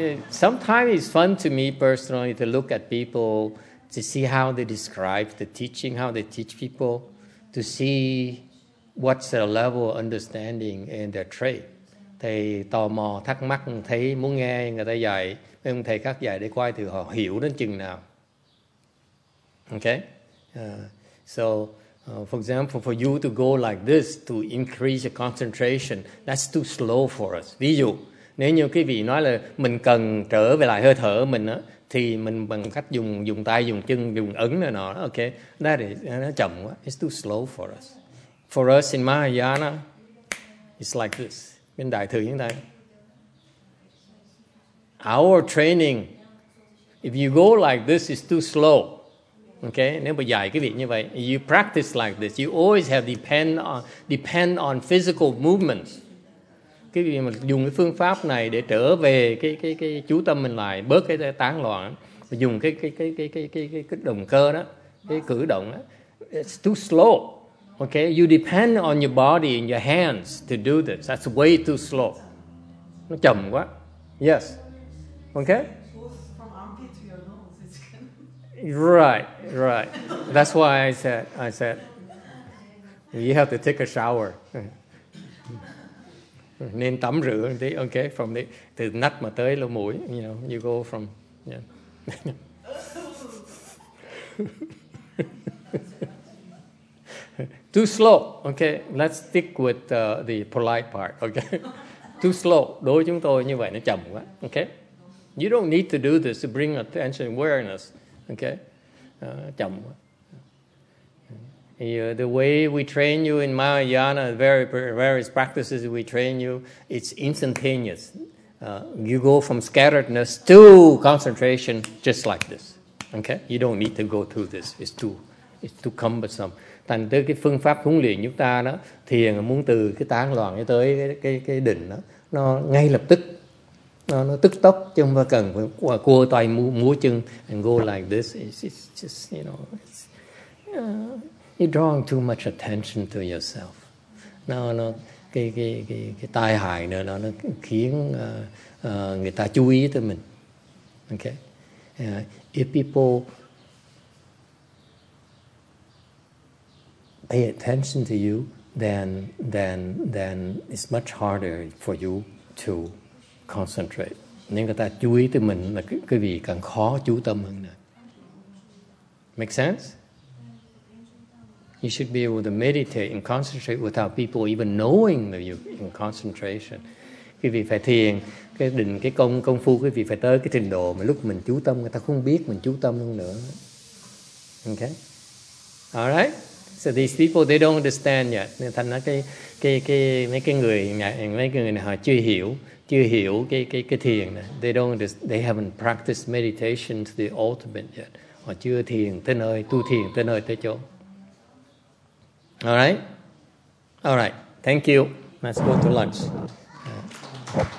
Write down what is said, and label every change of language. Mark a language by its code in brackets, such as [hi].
[en] Sometimes it's fun to me personally to look at people to see how they describe the teaching, how they teach people, to see what's their level of understanding and their trait. [vi] Thầy tò mò, thắc mắc, thấy muốn nghe người ta dạy, mấy ông thầy khác dạy để coi thử họ hiểu đến chừng nào. [en] Okay? For example, for you to go like this to increase your concentration, that's too slow for us. [vi] Ví dụ, nếu như quý vị nói là mình cần trở về lại hơi thở mình á, thì mình bằng cách dùng tay, dùng chân, dùng ấn này nọ, okay? [en] That is, [vi] nó chậm quá, [en] it's too slow for us. For us in Mahayana, it's like this. [vi] Bên đại thừa chúng ta, [en] our training, if you go like this, it's too slow. Okay, [vi] nếu mà dạy cái việc như vậy, [en] you practice like this. You always have depend on physical movements. [vi] Cái việc mà dùng cái phương pháp này để trở về cái chú tâm mình lại, bớt cái tán loạn, dùng cái động cơ đó, cái cử động đó, [en] it's too slow. Okay, you depend on your body and your hands to do this. That's way too slow. [vi] Nó chậm quá. [en] Yes. Okay? From armpit to your nose, it's Right. That's why I said, you have to take a shower. [vi] Nên tắm rửa đi. [en] Okay, from the [vi] từ nách mà tới lỗ mũi. [en] You know, you go from. Yeah. Too slow, okay. Let's stick with the polite part, okay. Too slow. [vi] Đối với chúng tôi như vậy nó chậm quá, okay. [en] You don't need to do this to bring attention awareness, okay. [vi] Chậm quá. [en] The way we train you in Mahayana, very various practices we train you, it's instantaneous. You go from scatteredness to concentration just like this, okay. You don't need to go through this. It's too cumbersome. [vi] Thành tới cái phương pháp huấn luyện chúng ta đó, thiền muốn từ cái tán loạn tới cái đỉnh đó, nó ngay lập tức, nó tức tốc, chứ không phải cần phải cua tay múa chân [en] and go like this. It's just, you know, you're drawing too much attention to yourself. [vi] Cái tai hại nữa, nó khiến người ta chú ý tới mình. [en] Okay? If people pay attention to you, then it's much harder for you to concentrate. [vi] nên người ta chú ý tới mình là cái vị càng khó chú tâm hơn nữa. [en] Make sense? You should be able to meditate and concentrate without people even knowing that you're in concentration. [vi] Cái vị phải thiền, cái định, cái công phu, cái vị phải tới cái trình độ mà lúc mình chú tâm người ta không biết mình chú tâm hơn nữa. [en] Okay? All right? So these people they don't understand yet. [vi] Nên thành ra mấy cái người này họ chưa hiểu cái thiền này. [en] They haven't practiced meditation to the ultimate yet. [vi] Họ chưa thiền tới nơi, tu thiền tới nơi tới chỗ. [en] All right. Thank you. Let's go to lunch.